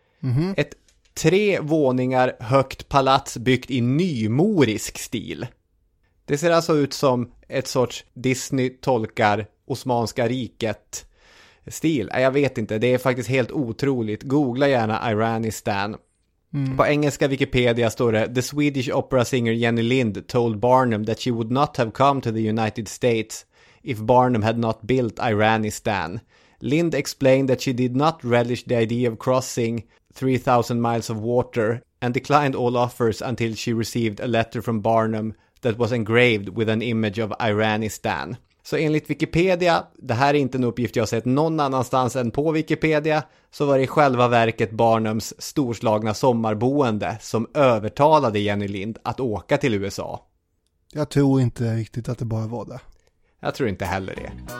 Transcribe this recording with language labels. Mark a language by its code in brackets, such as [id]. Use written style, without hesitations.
[sv] Mm-hmm. Ett 3 våningar högt palats byggt i nymorisk stil. Det ser alltså ut som ett sorts Disney-tolkar Osmanska riket stil. Jag vet inte, det är faktiskt helt otroligt. Googla gärna Iranistan. Mm. På engelska Wikipedia står det: [en] "The Swedish opera singer Jenny Lind told Barnum that she would not have come to the United States if Barnum had not built Iranistan. Lind explained that she did not relish the idea of crossing 3,000 miles of water and declined all offers until she received a letter from Barnum that was engraved with an image of Iranistan." [sv] Så enligt Wikipedia, det här är inte en uppgift jag har sett någon annanstans än på Wikipedia, så var det i själva verket Barnums storslagna sommarboende som övertalade Jenny Lind att åka till USA. Jag tror inte riktigt att det bara var det. Jag tror inte heller det.